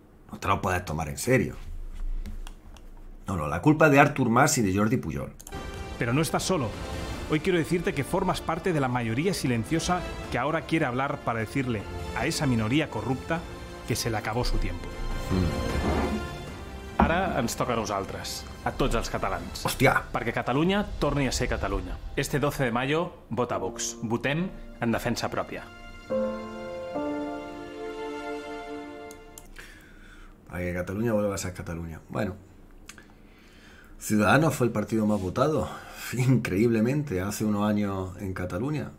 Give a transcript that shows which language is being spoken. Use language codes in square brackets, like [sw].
[es] No te lo puedes tomar en serio. No, la culpa es de Artur Mas y de Jordi Pujol. Pero no estás solo. Hoy quiero decirte que formas parte de la mayoría silenciosa que ahora quiere hablar para decirle a esa minoría corrupta que se le acabó su tiempo. [ca] Ara ens toca a nosaltres, a tots els catalans. Hòstia! Perquè Catalunya torni a ser Catalunya. [es] Este 12 de mayo, vota Vox. [ca] Votem en defensa pròpia. Perquè [es] Catalunya vuelva a ser Catalunya. Bueno, Ciudadanos fue el partido más votado, increíblemente, hace unos años en Cataluña.